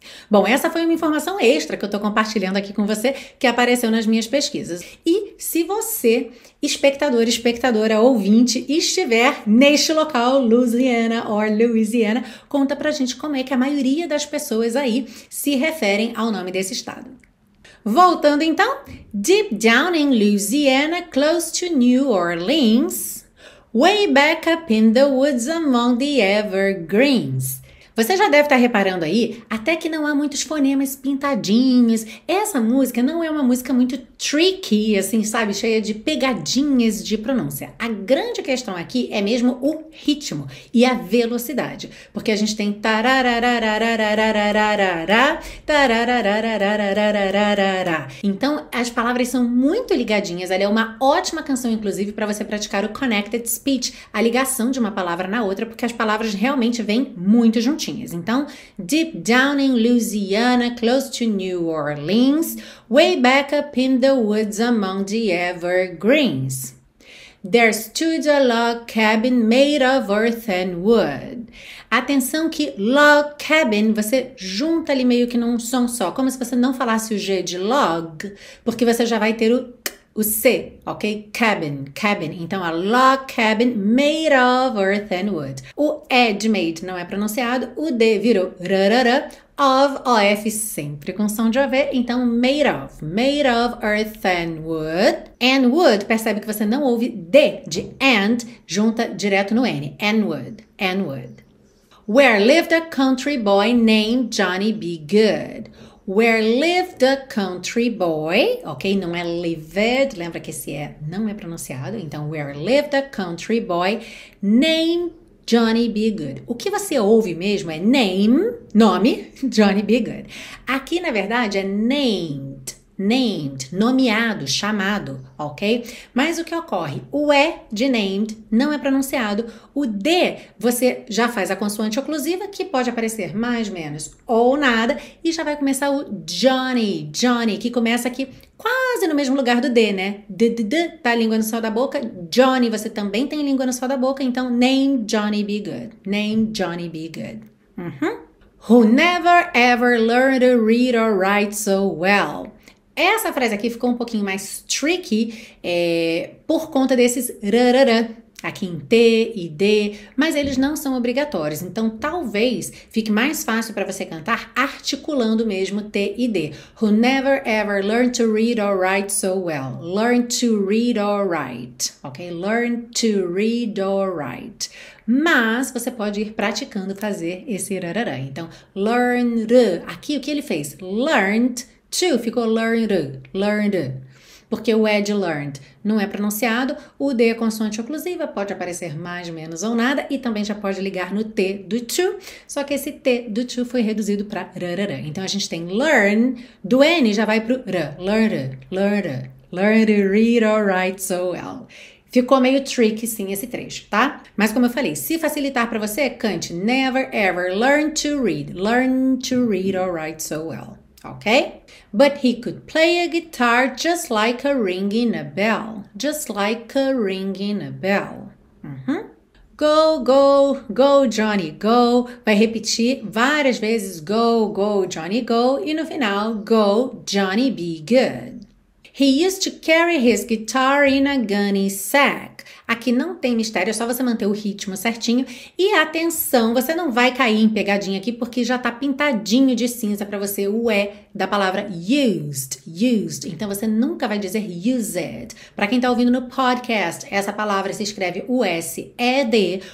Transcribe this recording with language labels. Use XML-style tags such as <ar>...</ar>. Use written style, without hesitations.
<pt>Bom, essa foi uma informação extra que eu estou compartilhando aqui com você, que apareceu nas minhas pesquisas. E se você, espectador, espectadora, ouvinte, estiver neste local, Louisiana or Louisiana, conta pra gente como é que a maioria das pessoas aí se referem ao nome desse estado. Voltando então,</pt> <en>deep down in Louisiana, close to New Orleans, way back up in the woods among the evergreens.</en> <pt>Você já deve estar reparando aí, até que não há muitos fonemas pintadinhos. Essa música não é uma música muito tricky, assim, sabe? Cheia de pegadinhas de pronúncia. A grande questão aqui é mesmo o ritmo e a velocidade. Porque a gente tem tarararararararararara, tarararararararararara. Então, as palavras são muito ligadinhas. Ela é uma ótima canção, inclusive, para você praticar o connected speech, a ligação de uma palavra na outra, porque as palavras realmente vêm muito juntas.</pt> <en>Então, deep down in Louisiana, close to New Orleans, way back up in the woods among the evergreens, there stood a log cabin made of earth and wood.</en> <pt>Atenção que log cabin, você junta ali meio que num som só, como se você não falasse o G de log, porque você já vai ter o C, ok? Cabin, cabin.</pt> <en>Então, a log cabin made of earth and wood.</en> <pt>O ed made não é pronunciado, o D virou rarara, of, of, sempre com som de ov.</pt> <en>Então, made of earth and wood.</en> <pt>And wood, percebe que você não ouve D de and, junta direto no N, and wood, and wood.</pt> <en>Where lived a country boy named Johnny B. Good? Where lived a country boy, ok?</en> <pt>Não é lived, lembra que esse é, não é pronunciado.</pt> <en>Então, where lived a country boy named Johnny B. Good.</en> <pt>O que você ouve mesmo é name, nome, Johnny B. Good. Aqui, na verdade, é named, named, nomeado, chamado, ok? Mas o que ocorre? O E de named não é pronunciado. O D, você já faz a consoante oclusiva, que pode aparecer mais, menos ou nada. E já vai começar o Johnny, Johnny, que começa aqui quase no mesmo lugar do D, né? D, tá a língua no céu da boca. Johnny, você também tem língua no céu da boca.</pt> <en>Então, name Johnny B. Good. Name Johnny B. Good. Uhum. Who never ever learned to read or write so well.</en> <pt>Essa frase aqui ficou um pouquinho mais tricky por conta desses rarara, aqui em T e D, mas eles não são obrigatórios. Então, talvez fique mais fácil para você cantar articulando mesmo T e D.</pt> <en>Who never ever learned to read or write so well. Learn to read or write, ok? Learn to read or write.</en> <pt>Mas você pode ir praticando fazer esse rarara. Então, learn, aqui o que ele fez? Learned. To ficou learned, learned, porque o ed learned não é pronunciado, o d é consoante oclusiva, pode aparecer mais, menos ou nada, e também já pode ligar no t do to, só que esse t do to foi reduzido para rarara. Então a gente tem learn, do n já vai para o r,</pt> <en>learned, learned, learned to read or write so well.</en> <pt>Ficou meio tricky, sim, esse trecho, tá? Mas como eu falei, se facilitar para você, cante</pt> <en>never ever learn to read or write so well. Ok? But he could play a guitar just like a ringing a bell. Just like a ringing a bell. Uhum. Go, go, go, Johnny, go.</en> <pt>Vai repetir várias vezes.</pt> <en>Go, go, Johnny, go.</en> <pt>E no final,</pt> <en>go, Johnny, be good. He used to carry his guitar in a gunny sack.</en> <pt>Aqui não tem mistério, é só você manter o ritmo certinho. E atenção, você não vai cair em pegadinha aqui, porque já tá pintadinho de cinza para você o E da palavra used, used. Então você nunca vai dizer used. Para quem tá ouvindo no podcast, essa palavra se escreve U-S-E-D.</pt>